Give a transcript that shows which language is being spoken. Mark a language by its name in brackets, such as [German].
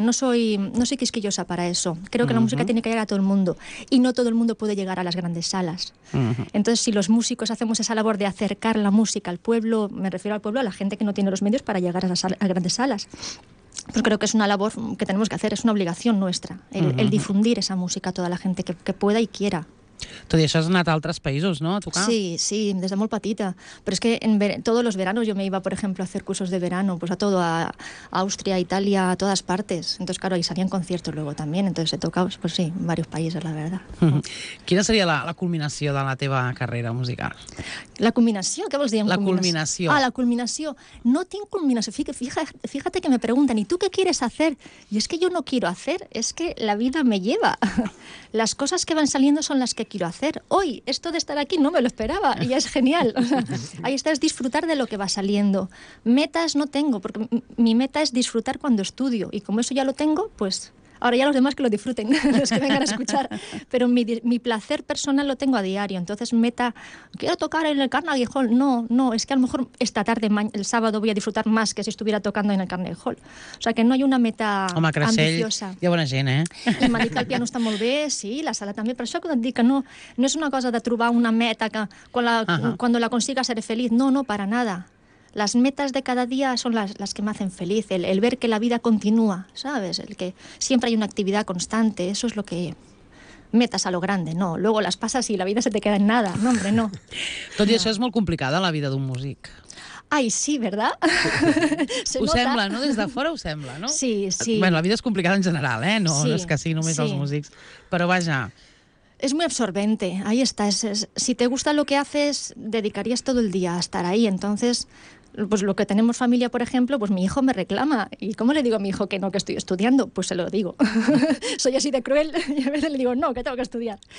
[Spanish] No soy quisquillosa para eso. Creo que la música tiene que llegar a todo el mundo y no todo el mundo puede llegar a las grandes salas. Entonces, si los músicos hacemos esa labor de acercar la música al pueblo, me refiero al pueblo, a la gente que no tiene los medios para llegar a grandes salas. Pues creo que es una labor que tenemos que hacer, es una obligación nuestra, el difundir esa música a toda la gente que pueda y quiera. [Catalan] Tot i això has anat a altres països, no?, a tocar. Sí, sí, des de molt petita. Però és que [Spanish] todos los veranos yo me iba, por ejemplo, a hacer cursos de verano, pues a todo, a Austria, a Italia, a todas partes. Entonces, claro, ahí salían conciertos luego también, entonces he tocado, pues sí, en varios países, la verdad. [Catalan] Quina seria la culminació de la teva carrera musical? La culminació? Què vols dir amb culminació? La culminació. Ah, la culminació. No tinc culminació. [Spanish] Fíjate que me pregunten, ¿y tú qué quieres hacer? Y es que yo no quiero hacer, es que la vida me lleva. Las cosas que van saliendo son las que quiero hacer. Hoy, esto de estar aquí no me lo esperaba y es genial. Ahí está, es disfrutar de lo que va saliendo. Metas no tengo, porque mi meta es disfrutar cuando estudio y como eso ya lo tengo, pues ahora ya los demás que lo disfruten, los que vengan a escuchar. Pero mi placer personal lo tengo a diario, entonces meta, quiero tocar en el Carnegie Hall. No, es que a lo mejor esta tarde, el sábado, voy a disfrutar más que si estuviera tocando en el Carnegie Hall. O sea que no hay una meta ambiciosa. [Catalan] Hi ha bona gent, eh? I Marica, el piano està molt bé, sí, la sala també, però això que et dic, que no és una cosa de trobar una meta que quan la consiga seré feliç. [Spanish] No, para nada. Las metas de cada día son las que me hacen feliz, el ver que la vida continúa, ¿sabes? El que siempre hay una actividad constante, eso es lo que metas a lo grande, no. Luego las pasas y la vida se te queda en nada. No, hombre, no. [Catalan] Tot i això és molt complicada, la vida d'un músic. [Spanish] Ai, sí, ¿verdad? [Catalan] Se nota. Sembla, no? Des de fora ho sembla, no? Sí, sí. Bueno, la vida és complicada en general, eh? No, sí, no és que sigui només sí. Els músics. Però vaja... [Spanish] Es muy absorbente, ahí está. Si te gusta lo que haces, dedicarías todo el día a estar ahí. Entonces, pues lo que tenemos familia, por ejemplo, pues mi hijo me reclama. ¿Y cómo le digo a mi hijo que no, que estoy estudiando? Pues se lo digo. Soy así de cruel y a veces le digo, no, que tengo que estudiar.